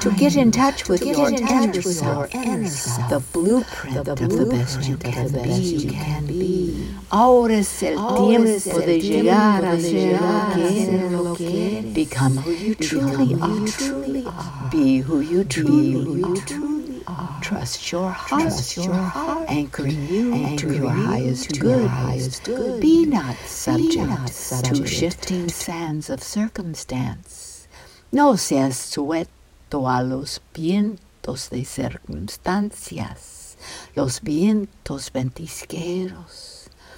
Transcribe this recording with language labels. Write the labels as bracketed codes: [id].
[en] to get in touch with your inner self, the blueprint of the best you can be. [es] Ahora es el tiempo de llegar a ser lo que eres. [en] Become who you truly are. Be who you truly are. Trust your heart. Anchor you to your highest good. Be not subject to shifting sands of circumstance. [es] No seas sueto a los vientos de circunstancias, los vientos ventisqueros.